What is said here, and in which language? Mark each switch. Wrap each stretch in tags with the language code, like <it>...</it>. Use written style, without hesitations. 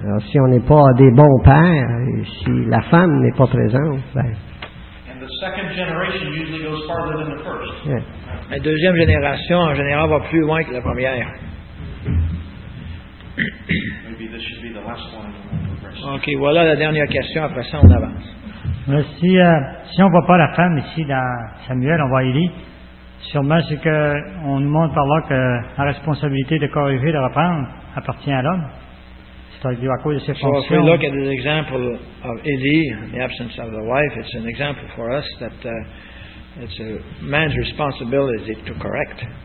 <fr>Alors, si on n'est pas des bons pères, et si la femme n'est pas présente, ben.</fr> <en>And the second generation usually goes farther than the first. Yeah.</en> <fr>La deuxième génération en général va plus loin que la première.</fr> <en>Maybe this should be the last one.</en> <fr>Okay, voilà la dernière question. Après ça, on avance. Si on ne voit pas la femme ici dans Samuel, on voit Élie, Sûrement, c'est qu'on nous montre par là que la responsabilité de corriger, de reprendre, appartient à l'homme. C'est-à-dire à cause de ses fonctions.</fr> <en>So if we look at the example of Elie, in the absence of the wife, it's an example for us that it's a man's responsibility to correct.</en>